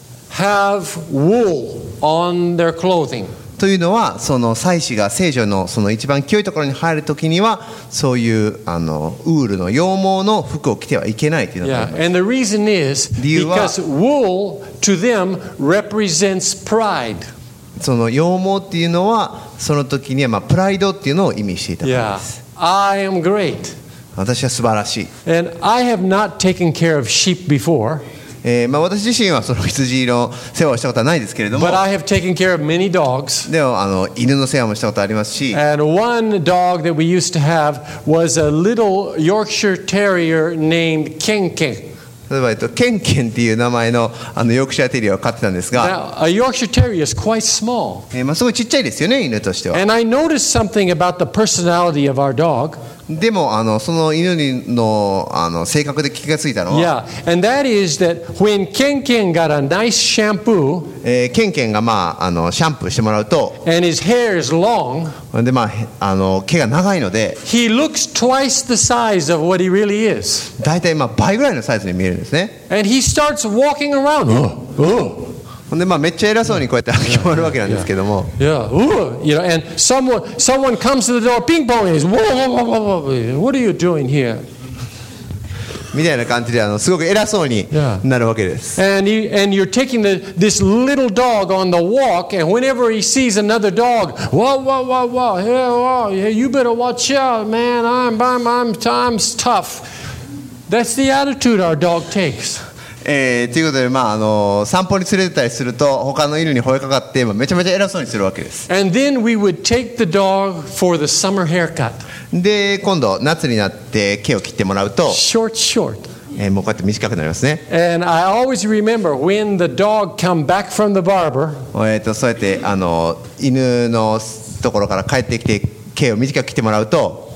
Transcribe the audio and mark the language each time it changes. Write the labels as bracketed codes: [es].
[en] have wool on their clothing. [ja] というのはその祭司が聖所のその一番清いところに入るときにはそういうあのウールの羊毛の服を着てはいけないというのがあります。 [en] Yeah. And the reason is because wool to them represents pride. [ja] その羊毛っていうのはその時にはまあプライドっていうのを意味していたからです。 [en] Yeah. I am great. [ja] 私は素晴らしい。 [en] And I have not taken care of sheep before. [ja] まあ、私自身はその羊の世話をしたことはないですけれども [en] But I have taken care of many dogs. [ja] でもあの犬の世話もしたことありますし [en] And one dog that we used to have was a little Yorkshire terrier named Ken Ken. [ja] 例えば、ケンケンっていう名前 の, あのヨークシャーテリアを飼ってたんですが [en] Now, a Yorkshire terrier is quite small. [ja] まあすごいちっちゃいですよね犬としては [en] And I noticed something about the personality of our dog [ja] でもあのその犬 の, あの性格で気がついたのは [en] Yeah, and that is that when Ken Ken got a nice shampoo [ja] Ken Ken が、まあ、あのシャンプーしてもらうと [en] And his hair is long [ja] で、まあ、あの毛が長いので [en] He looks twice the size of what he really is [ja] だいたい、まあ、倍ぐらいのサイズに見えるんですね [en] And he starts walking around [ja] でまあ、めっちゃ偉そうにこうやって歩き回るわけなんですけども。 [en] Yeah, yeah, yeah. yeah. You know, and someone comes to the door, ping pong is, whoa, whoa, whoa, whoa, whoa, what are you doing here? [ja] みたいな感じであのすごく偉そうになるわけです。 [en] Yeah. And you're taking this little dog on the walk, and whenever he sees another dog, whoa, whoa, whoa, whoa, hey, whoa, hey, you better watch out, man, I'm tough. That's the attitude our dog takes. [ja] ということで、まあ、あの散歩に連れてたりすると他の犬に吠えかかって、まあ、めちゃめちゃ偉そうにするわけです。 [en] And then we would take the dog for the summer haircut. [ja] で今度夏になって毛を切ってもらうと [en] short, short. [ja] もうこうやって短くなりますね。 [en] And I always remember when the dog come back from the barber. [ja] そうやってあの犬のところから帰ってきて毛を短く切ってもらうと